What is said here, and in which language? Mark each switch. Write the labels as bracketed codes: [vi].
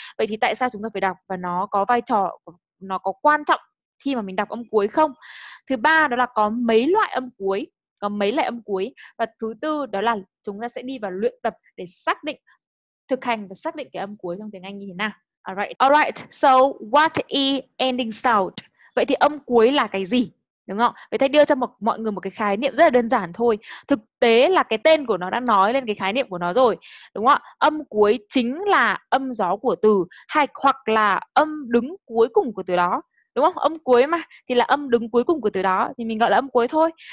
[vi] Vậy thì tại sao chúng ta phải đọc và nó có vai trò, nó có quan trọng khi mà mình đọc âm cuối không? Thứ ba đó là có mấy loại âm cuối, có mấy loại âm cuối? Và thứ tư đó là chúng ta sẽ đi vào luyện tập để xác định, thực hành và xác định cái âm cuối trong tiếng Anh như thế nào. [en] Alright, so what is ending sound? [vi] Vậy thì âm cuối là cái gì? Đúng không? Vậy Thầy đưa cho mọi người một cái khái niệm rất là đơn giản thôi. Thực tế là cái tên của nó đã nói lên cái khái niệm của nó rồi. Đúng không? Âm cuối chính là âm gió của từ hay hoặc là âm đứng cuối cùng của từ đó. Đúng không? Âm cuối mà thì là âm đứng cuối cùng của từ đó. Thì mình gọi là âm cuối thôi.